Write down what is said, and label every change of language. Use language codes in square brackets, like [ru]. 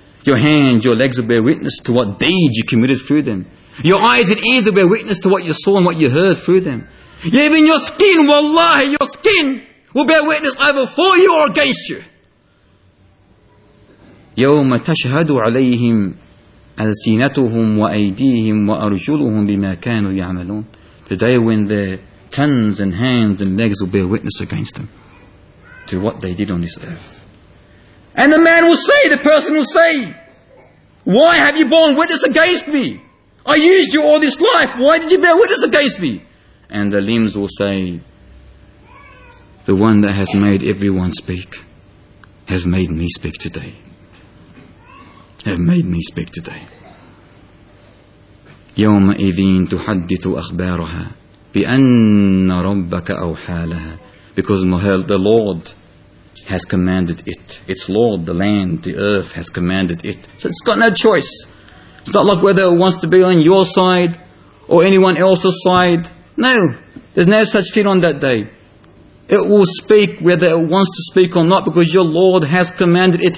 [en] Your hands, your legs will bear witness to what deeds you committed through them. Your eyes and ears will bear witness to what you saw and what you heard through them. Even your skin, wallahi, your skin will bear witness either for you or against you. [ar] يَوْمَ تَشْهَدُ عَلَيْهِمْ ألسنتهم وأيديهم وأرجلهم بما كانوا يعملون. [en] The day when their tongues and hands and legs will bear witness against them to what they did on this earth. And the man will say, the person will say, why have you borne witness against me? I used you all this life. Why did you bear witness against me? And the limbs will say, the one that has made everyone speak has made me speak today. Have made me speak today. [ar] يومئذين تحدث أخبارها بأن ربك أوحى لها. [en] Because the Lord has commanded it. Its Lord, the land, the earth, has commanded it. So it's got no choice. It's not like whether it wants to be on your side or anyone else's side. No, there's no such thing on that day. It will speak whether it wants to speak or not, because your Lord has commanded it.